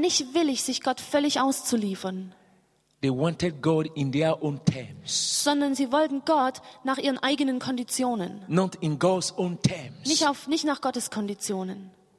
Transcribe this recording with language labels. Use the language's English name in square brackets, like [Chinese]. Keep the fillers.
[German] nicht willig, sich Gott völlig auszuliefern. [English] They wanted God in their own terms. [German] Sondern sie wollten Gott nach ihren eigenen Konditionen. [English] Not in God's own terms. [German] Nicht, auf, nicht nach Gottes Konditionen.